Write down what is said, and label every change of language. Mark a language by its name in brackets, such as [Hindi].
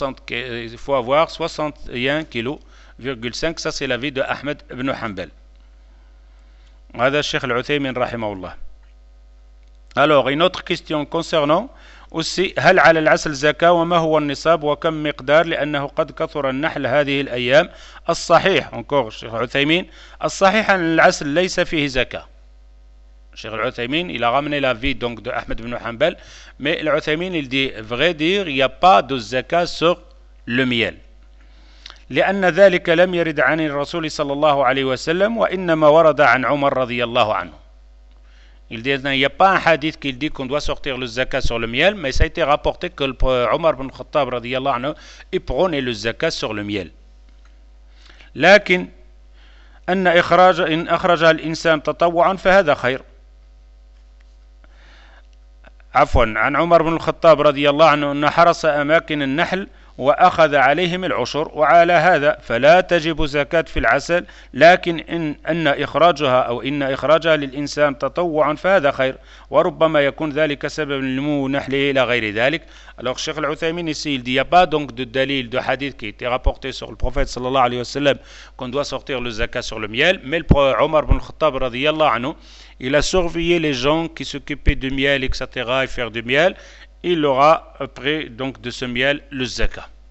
[French] Il faut avoir 61,5 kg. Ça, c'est l'avis de Ahmed ibn Hanbal. [Arabic] Hada Cheikh Al-Uthaymin rahimahullah. [French] Alors, une autre question concernant aussi [Arabic] هل على العسل زكاة وما هو النصاب وكم مقدار لأنه قد كثر النحل هذه الأيام. [French] الصحيح encore Cheikh Al-Uthaymin. [Arabic] الصحيح أن العسل ليس فيه زكاة. [French] Cheikh Al-Uthaymin, il a ramené l'avis donc de Ahmed ibn Hanbal, mais Al-Uthaymin, il dit, vrai dire, il n'y a pas de zakat sur le miel. [Arabic] لأن ذلك لم يرد عن الرسول صلى الله عليه وسلم وإنما ورد عن عمر رضي الله عنه. [French] Il dit, il n'y a pas un hadith qui dit qu'on doit sortir le zakat sur le miel, mais ça a été rapporté que Omar ibn Khattab radiyallahu anhu prône le zakat sur le miel. [Arabic] لكن أن إخراج إن أخرج الإنسان تطوعا فهذا خير. عفوا عن عمر بن الخطاب رضي الله عنه أن حرس أماكن النحل وأخذ عليهم العشر وعلى هذا فلا تجب زكاة في العسل لكن إن أن إخراجها أو إن إخراجها للإنسان تطوعا فهذا خير وربما يكون ذلك سبب لنمو نحله إلى غير ذلك. [French] Alors Cheikh Al-Uthaymin ici il dit y a pas donc de dalil de hadith qui était rapporté sur le prophète sallallahu alayhi wa sallam qu'on doit sortir le zakat sur le miel, mais le prophète Omar ibn Khattab radiyallahu anhu il a surveillé les gens qui s'occupaient du miel etc et faire du miel, il aura pris donc de ce miel le zakat.